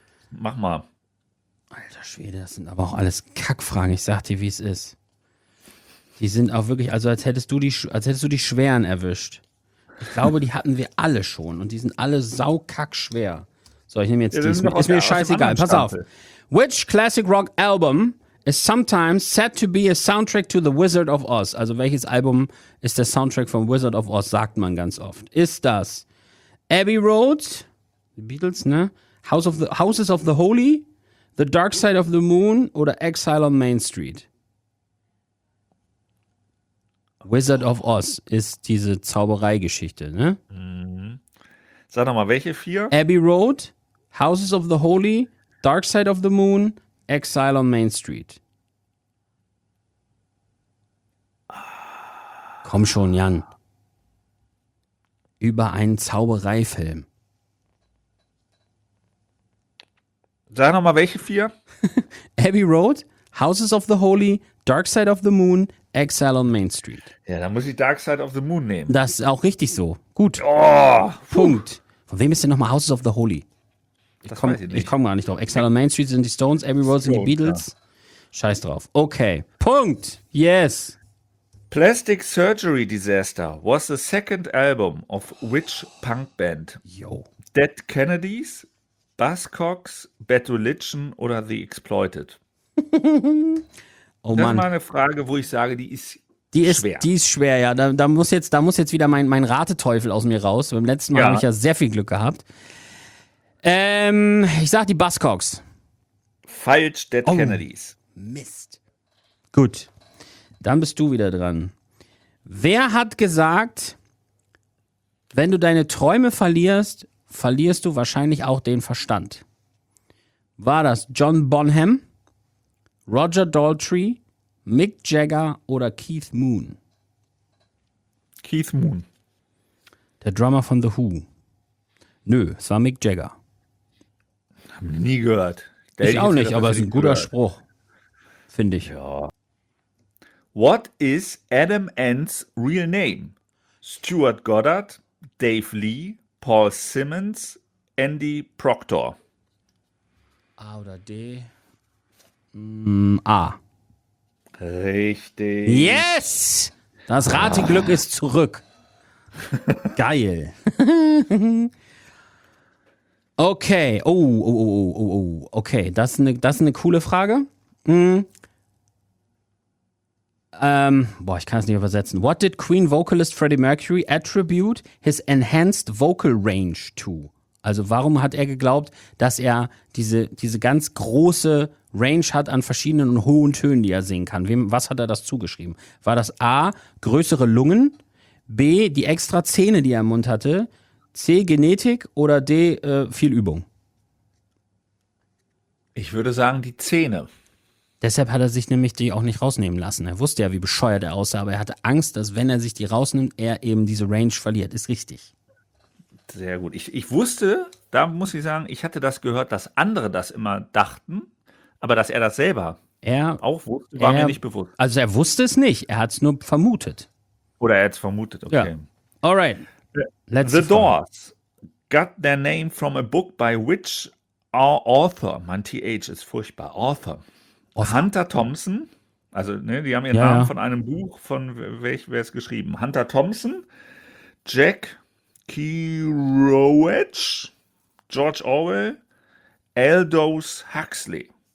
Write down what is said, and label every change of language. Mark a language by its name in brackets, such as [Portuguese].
[German] Mach mal. Alter Schwede, das sind aber auch alles Kackfragen. Ich sag dir, wie es ist. Die sind auch wirklich, also als hättest du die schweren erwischt. Ich glaube, die hatten wir alle schon und die sind alle saukackschwer. So, ich nehme jetzt ja, die. Ist mir scheißegal. Pass auf. [English] Which classic rock album is sometimes said to be a soundtrack to The Wizard of Oz? [German] Also welches Album ist der Soundtrack von Wizard of Oz, sagt man ganz oft. Ist das Abbey Road, The Beatles, ne? Houses of the Holy, The Dark Side of the Moon oder Exile on Main Street? Wizard of Oz ist diese Zaubereigeschichte, ne? Mhm. Sag doch mal, welche vier? Abbey Road, Houses of the Holy, Dark Side of the Moon, Exile on Main Street. Komm schon, Jan. Über einen Zaubereifilm. Sag nochmal, welche vier? Abbey Road, Houses of the Holy, Dark Side of the Moon, Exile on Main Street. Ja, dann muss ich Dark Side of the Moon nehmen. Das ist auch richtig so. Gut. Oh, Punkt. Von wem ist denn nochmal Houses of the Holy? Das weiß ich nicht. Ich komme gar nicht drauf. Exile on Main Street sind die Stones, Abbey Road sind die Beatles. Ja. Scheiß drauf. Okay. Punkt. Yes. [English] Plastic Surgery Disaster was the second album of which punk band? Yo. [German] Dead Kennedys, Buzzcocks, Bad Religion oder The Exploited? Oh, das Mann. Ist mal eine Frage, wo ich sage, die ist schwer. Die ist schwer, ja. Da muss jetzt wieder mein Rateteufel aus mir raus. Beim letzten Mal habe ich ja sehr viel Glück gehabt. Ich sag die Buzzcocks. Falsch, Dead Kennedys. Mist. Gut. Dann bist du wieder dran. Wer hat gesagt, wenn du deine Träume verlierst, verlierst du wahrscheinlich auch den Verstand? War das John Bonham, Roger Daltrey, Mick Jagger oder Keith Moon? Keith Moon. Der Drummer von The Who. Nö, es war Mick Jagger. Nie gehört. Der ich auch nicht, aber es ist ein guter gehört. Spruch. Finde ich. Ja. [English] What is Adam Ant's real name? Stuart Goddard, Dave Lee, Paul Simmons, Andy Proctor. [German] A oder D? A. Richtig. [English] Yes! [German] Das Rateglück ist zurück. Geil. Okay, okay, das ist eine coole Frage. Ich kann es nicht übersetzen. [English] What did Queen Vocalist Freddie Mercury attribute his enhanced vocal range to? [German] Also warum hat er geglaubt, dass er diese ganz große Range hat an verschiedenen und hohen Tönen, die er singen kann? Was hat er das zugeschrieben? War das A, größere Lungen, B, die extra Zähne, die er im Mund hatte, C, Genetik oder D, viel Übung? Ich würde sagen, die Zähne. Deshalb hat er sich nämlich die auch nicht rausnehmen lassen. Er wusste ja, wie bescheuert er aussah, aber er hatte Angst, dass wenn er sich die rausnimmt, er eben diese Range verliert. Ist richtig. Sehr gut. Ich wusste, da muss ich sagen, ich hatte das gehört, dass andere das immer dachten, aber dass er das selber auch wusste, war mir nicht bewusst. Also er wusste es nicht, er hat es nur vermutet. Oder er hat es vermutet, okay. Ja. [English] Alright. The Doors got their name from a book by which author? [German] Mein TH ist furchtbar. Author. Hunter Thompson. Also, ne, die haben ihren Namen von einem Buch, von welchem wäre es geschrieben? Hunter Thompson, Jack Kerouac, George Orwell, Aldous Huxley.